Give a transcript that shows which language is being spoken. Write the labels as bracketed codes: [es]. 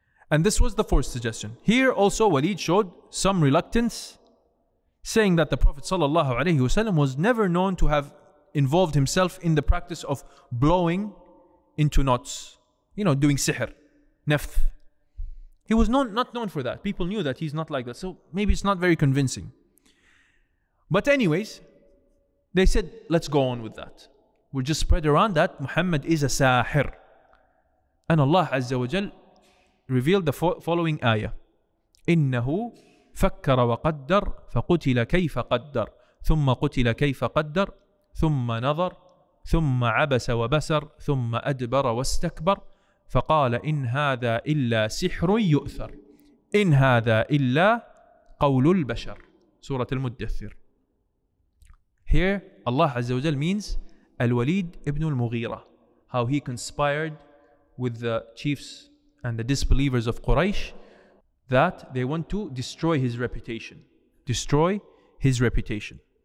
[en] And this was the fourth suggestion. Here also Walid showed some reluctance, saying that the Prophet sallallahu alayhi wasallam was never known to have involved himself in the practice of blowing into knots, you know, doing sihr, nafth. He was not known for that. People knew that he's not like that. So maybe it's not very convincing. But anyways, they said, let's go on with that. We'll just spread around that Muhammad is a sahir. And Allah Azza wa Jal revealed the following ayah. [ar] إِنَّهُ فَكَّرَ وَقَدَّرْ فَقُتِلَ كَيْفَ قَدَّرْ ثُمَّ قُتِلَ كَيْفَ قَدَّرْ ثُمَّ نَظَرْ ثُمَّ عَبَسَ وَبَسَرْ ثُمَّ أَدْبَرَ وَاسْتَكْبَرْ فَقَالَ إِنْ هَذَا إِلَّا سِحْرٌ يُؤْثَرْ إِنْ هَذَا إِلَّا قَوْلُ الْبَشَرْ Surah Al-Muddathir. [en] Here, Allah Azza wa Jal means Al-Walid ibn al-Mughira, how he conspired with the chiefs and the disbelievers of Quraysh that they want to destroy his reputation. Destroy his reputation.